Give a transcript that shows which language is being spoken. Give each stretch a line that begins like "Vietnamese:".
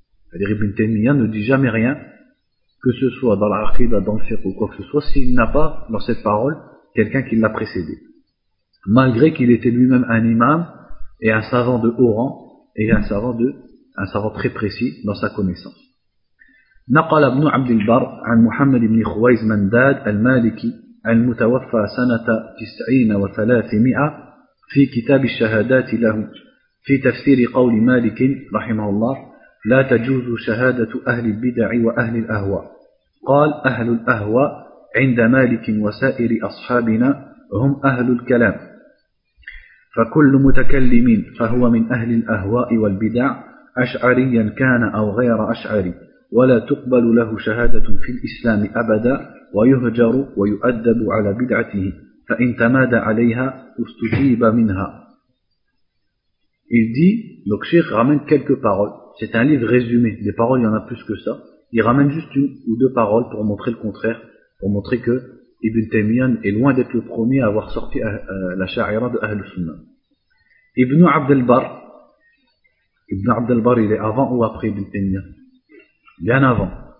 French: C'est-à-dire Ibn Taymiyyah ne dit jamais rien, que ce soit dans l'Aqida, dans le Fiqh ou quoi que ce soit, s'il n'a pas dans cette parole quelqu'un qui l'a précédé. Malgré qu'il était lui-même un imam et un savant de haut rang et un savant très précis dans sa connaissance.
Arabic: نقل ابن عبد البر عن محمد بن خويز منداد المالكي المتوفى سنة 90 و300 في كتاب الشهادات له في تفسير قول مالك رحمه الله لا تجوز شهادة أهل البدع وأهل الأهواء. قال أهل الأهواء عند مالك وسائر أصحابنا هم أهل الكلام فكل متكلم فهو من أهل الأهواء والبدع أشعريا كان أو غير أشعري ولا تقبل له شهادة في الإسلام أبدا ويهجر ويؤدب على بدعته فإن تمادى عليها استجيب منها.
French: Il dit, donc Cheikh ramène quelques paroles, c'est un livre résumé, des paroles il y en a plus que ça, il ramène juste une ou deux paroles pour montrer le contraire, pour montrer que Ibn Taymiyyah est loin d'être le premier à avoir sorti la Sha'ira de Ahl Sunnah. Ibn Abd al-Bar, il est avant ou après Ibn Taymiyyah? Bien avant.